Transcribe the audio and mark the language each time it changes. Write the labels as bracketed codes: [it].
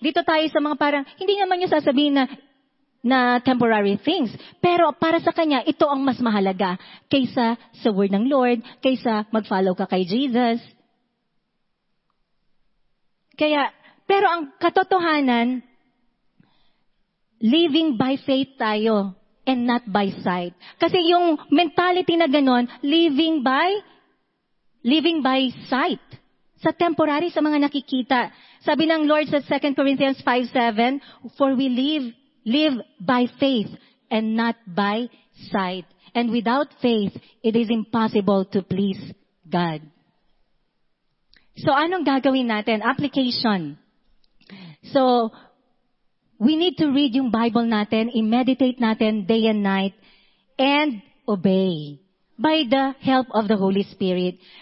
[tl] Dito tayo sa mga parang, hindi naman niya sasabihin na temporary things. Pero para sa kanya, ito ang mas mahalaga kaysa sa word ng Lord, kaysa mag-follow ka kay Jesus. Kaya, pero ang katotohanan, [en] living by faith [tl] tayo [en] and not by sight. [tl] Kasi yung mentality na ganun, [en] living by sight. [tl] Sa temporary, sa mga nakikita. Sabi ng Lord sa [en] 2 Corinthians 5:7, for we live by faith and not by sight. And without faith, it is impossible to please God. So, [tl] anong gagawin natin? [en] Application. So, we need to read yung Bible natin, i-meditate natin day and night, and obey by the help of the Holy Spirit.